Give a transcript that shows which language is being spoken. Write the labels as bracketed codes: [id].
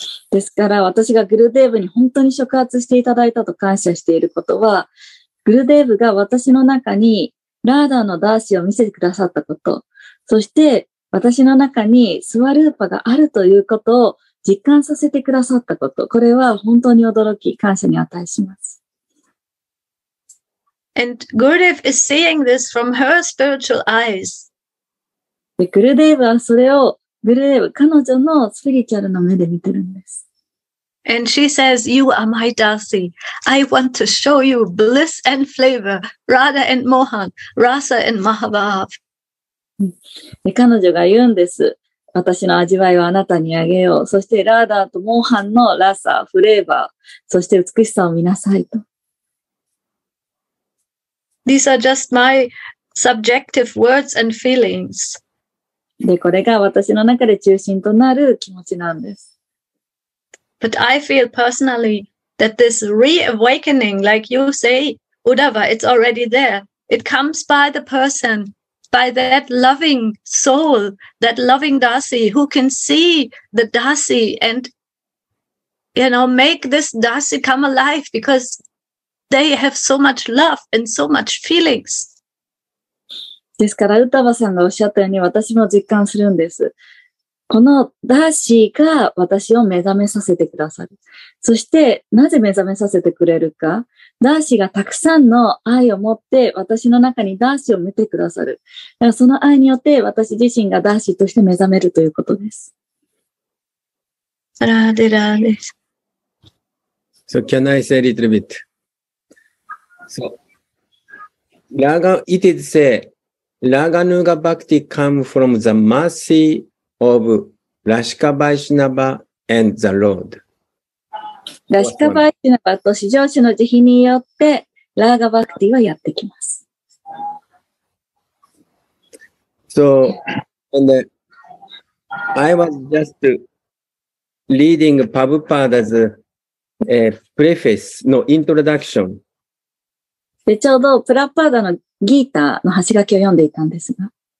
[ja] ですから私がグルデーブに本当に触発していただいたと感謝していることはグルデーブが私の中にラーダーのダーシーを見せてくださったことそして私の中にスワルーパがあるということを実感させてくださったこと、これは本当に驚き、感謝に値します。 [en] And Gurudev is seeing this from her spiritual eyes. [ja] で、グルデーブはそれを、グルデーブ、彼女のスピリチュアルの目で見てるんです。 [en] And she says, you are my Darcy. I want to show you bliss and flavor, Radha and Mohan, Rasa and Mahabhav. [ja] 彼女が言うんです。私の味わいをあなたにあげよう。そしてラーダーとモーハンのラサ、フレーバー、そして美しさを見なさいと。 [en] These are just my subjective words and feelings. [ja] で、これが私の中で中心となる気持ちなんです。 [en] But I feel personally that this reawakening, like you say, Uddhava, it's already there. It comes by the person, by that loving soul, that loving Dasi, who can see the Dasi and, you know, make this Dasi come alive because they have so much love and so much feelings. [ja] ですから、ウタバさんがおっしゃったように私も実感するんです。このダーシーが私を目覚めさせてくださる。そしてなぜ目覚めさせてくれるか。ダーシーがたくさんの愛を持って私の中にダーシーを見てくださる。だからその愛によって私自身がダーシーとして目覚めるということです。ラーデラーデ。 [en] So can I say a little bit? So, Raga, it is say, Raganuga Bhakti come from the mercy. Of Rashika Vaishnava and the Lord. [ja] Rashika Vaishnava と至上主の慈悲によってラーガバクティはやってきます。 [en] So, and I was just reading Prabhupada's preface, no introduction. [ja] で、ちょうどプラッパーダのギータの端書きを読んでいたんですが。